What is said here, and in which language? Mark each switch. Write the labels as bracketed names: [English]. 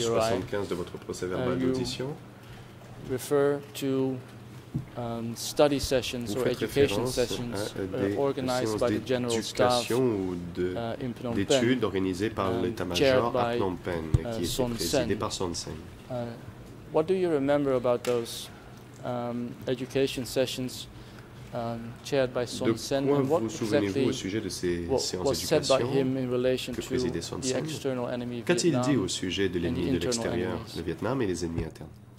[French] 75 de votre procès-verbal d'audition. [English] Refer to study sessions or education sessions organized by the general staff [French] ou de, [English] in Phnom Penh, [French] d'études organisées par l'état-major à Phnom Penh et qui était présidé par Son Sen. [English] What do you remember about those education sessions chaired by Son Sen? [French] De quoi vous souvenez-vous au sujet de ces séances d'éducation que présidait Son Sen? Qu'a-t-il dit au sujet de l'ennemi de l'extérieur, le Vietnam et les ennemis internes?